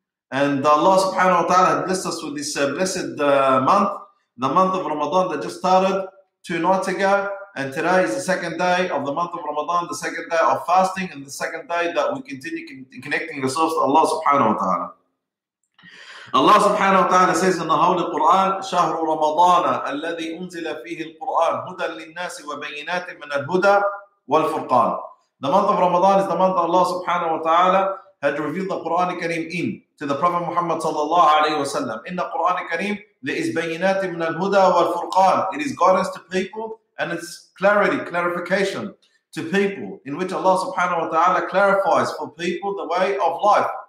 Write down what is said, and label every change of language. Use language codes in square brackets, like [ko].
[en] And Allah subhanahu wa ta'ala has blessed us with this blessed month. The month of Ramadan that just started 2 nights ago, and today is the second day of the month of Ramadan, the second day of fasting, and the second day that we continue connecting ourselves to Allah subhanahu wa ta'ala. [ar] Allah subhanahu wa ta'ala [en] says in the Holy Quran, [ar] شهر رمضان الذي أنزل فيه القرآن هدى للناس وبينات من الهدى والفرقان. [en] The month of Ramadan is the month that Allah subhanahu wa ta'ala had revealed the Quran Kareem in to the Prophet Muhammad sallallahu alayhi wa sallam. In the Quran Kareem, there is bayinati min al-huda wal-furqan. It is guidance to people, and it's clarity, clarification to people, in which Allah subhanahu wa ta'ala clarifies for people the way of life.